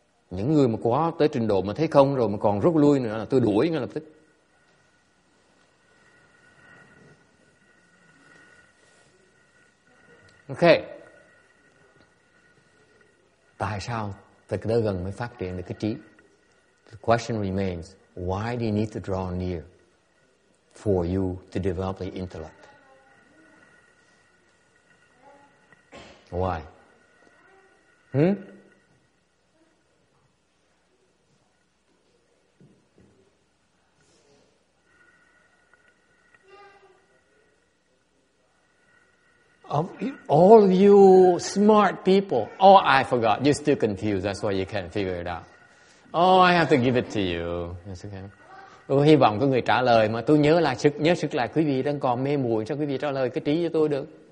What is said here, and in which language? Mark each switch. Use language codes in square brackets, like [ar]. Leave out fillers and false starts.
[vi] Những người mà có tới trình độ mà thấy không rồi mà còn rút lui nữa là tôi đuổi ngay lập tức. [en] Ok. [vi] Tại sao phải tới gần mới phát triển được cái trí? [en] The question remains, why do you need to draw near? For you to develop the intellect. Why? All of you smart people. Oh, I forgot. You're still confused. That's why you can't figure it out. Oh, I have to give it to you. That's okay. [vi] Tôi hy vọng có người trả lời mà tôi nhớ sức lại quý vị đang còn mê muội cho quý vị trả lời cái trí cho tôi được.